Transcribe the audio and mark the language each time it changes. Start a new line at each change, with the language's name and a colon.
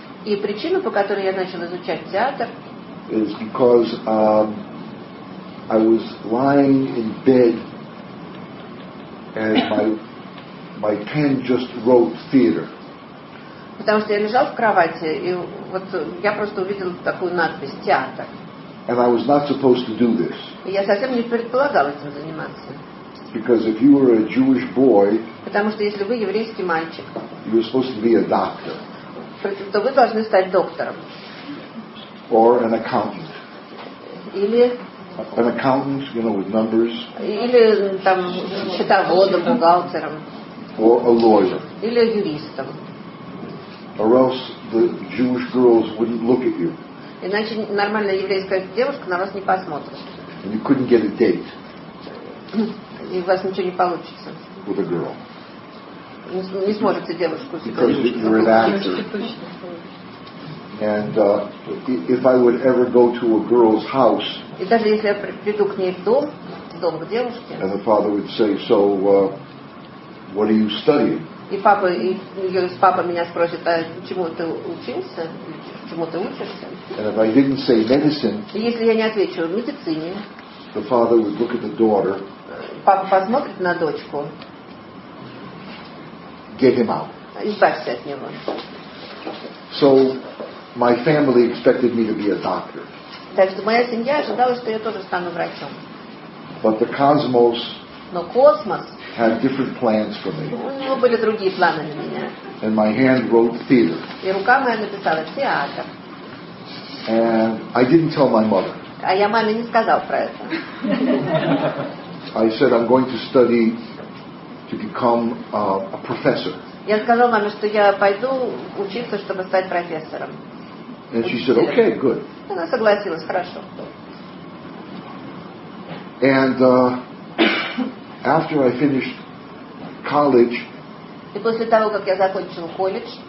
Russian: И причина, по которой я начал изучать театр,
English: is because I was lying in bed and my pen just wrote theater.
Russian: Потому что я лежал в кровати и вот я просто увидел такую надпись театр.
English: And I was not supposed to do this.
Russian: Я совсем не предполагал этим заниматься.
English: Because if you were a Jewish boy,
Russian: потому что если вы еврейский мальчик,
English: you were supposed to be a doctor,
Russian: то вы должны стать доктором.
English: Or an accountant.
Russian: Или
English: an accountant, you know, with numbers.
Russian: Или там счетоводом, бухгалтером.
English: Or a lawyer.
Russian: Или юристом.
English: Or else the Jewish girls wouldn't look at you.
Russian: Иначе нормальная еврейская девушка на вас не посмотрит.
English: And you couldn't get a date.
Russian: И у вас ничего не получится.
English: With a girl.
Russian: Не сможете девушку.
English: Because you're an actor. And if I would ever go to a girl's house.
Russian: И даже если я приду к ней в дом к девушке.
English: And the father would say, so what are you studying?
Russian: И папа, папа меня спросит, а чему ты учился? Чему ты учишься?
English: And if I didn't say medicine.
Russian: И если я не отвечу, медицине.
English: The father would look at the daughter.
Russian: Папа посмотрит на дочку.
English: Get him out.
Russian: Избавься от него.
English: So my family expected me to be a doctor.
Russian: Так что моя семья ожидала, что я тоже стану врачом.
English: But the cosmos
Russian: Но космос
English: had different plans for me.
Russian: У него были другие планы для меня.
English: And my hand wrote theater.
Russian: И рука моя написала театр.
English: And I didn't tell my mother.
Russian: А я маме не сказал про это.
English: I said I'm going to study to become a professor.
Russian: Я сказал маме, что я пойду учиться, чтобы стать профессором.
English: And she said, "Okay, good."
Russian: Она согласилась, хорошо.
English: And after I finished college,
Russian: и после того, как я закончил колледж,